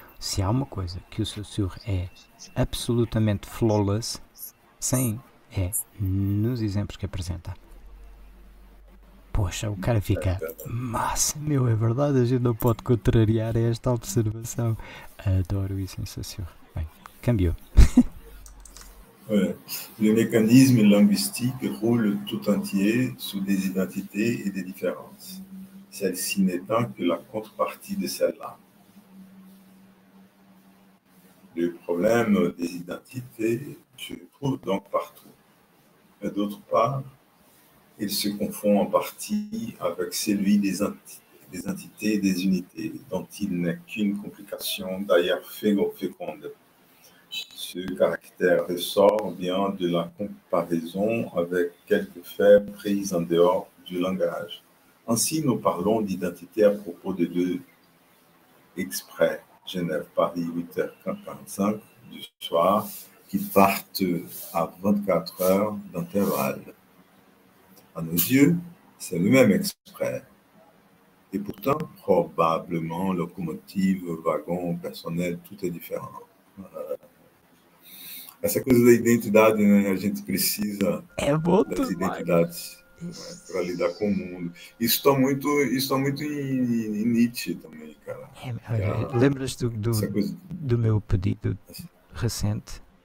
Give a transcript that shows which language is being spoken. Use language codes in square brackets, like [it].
[pt] Se há uma coisa que o Saussure é absolutamente flawless, sim, é nos exemplos que apresenta. Poxa, o cara fica, massa, meu, é verdade, a gente não pode contrariar esta observação. Adoro isso, sensacional. Bem, cambiou. [fr] Le mécanisme linguistique roule tout entier sous des identités et des différences. Celle-ci n'étant que la contrepartie de celle-là. Le problème des identités se trouve donc partout. Mais d'autre part, il se confond en partie avec celui des entités et des unités, dont il n'est qu'une complication d'ailleurs féconde. Ce caractère ressort bien de la comparaison avec quelques faits pris en dehors du langage. Ainsi, nous parlons d'identité à propos de deux exprès, Genève, Paris, 8h45 du soir, qui partent à 24 heures d'intervalle. À nos yeux, c'est le même exprès. Et pourtant, probablement, locomotive, wagon, personnel, tout est différent. [pt] Essa coisa da identidade, né? A gente precisa das identidades. para lidar com o mundo. Isso está muito em Nietzsche também, cara. Olha, lembras-te Essa coisa. do meu pedido recente?